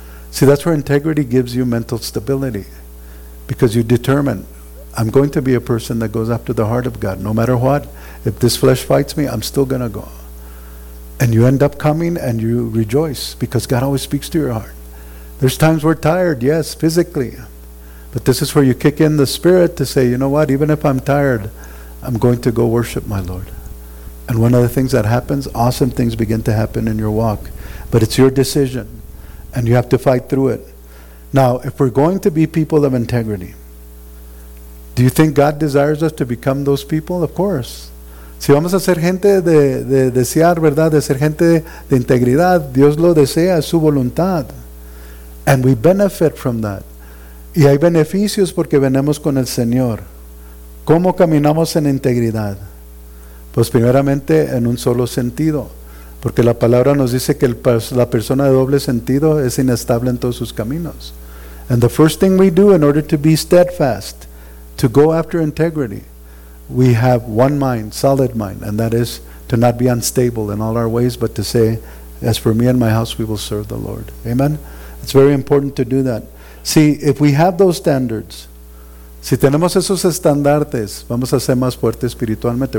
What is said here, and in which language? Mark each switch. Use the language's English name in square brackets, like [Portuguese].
[English] See, that's where integrity gives you mental stability. Because you determine, I'm going to be a person that goes after the heart of God. No matter what, if this flesh fights me, I'm still going to go. And you end up coming and you rejoice, because God always speaks to your heart. There's times we're tired, yes, physically. But this is where you kick in the spirit to say, you know what, even if I'm tired, I'm going to go worship my Lord. And one of the things that happens, awesome things begin to happen in your walk. But it's your decision, and you have to fight through it. Now, if we're going to be people of integrity, do you think God desires us to become those people? Of course. [Spanish] Si vamos a ser gente de desear, ¿verdad?, de ser gente de integridad, Dios lo desea, es su voluntad. [English] And we benefit from that. [Spanish] Y hay beneficios porque venimos con el Señor. ¿Cómo caminamos en integridad? Pues primeramente en un solo sentido. Porque la palabra nos dice que la persona de doble sentido es inestable en todos sus caminos. [English] And the first thing we do in order to be steadfast, to go after integrity, we have one mind, solid mind, and that is to not be unstable in all our ways, but to say, as for me and my house, we will serve the Lord. Amen? It's very important to do that. See, if we have those standards, [Spanish] si tenemos esos estandartes, vamos a ser más fuertes espiritualmente.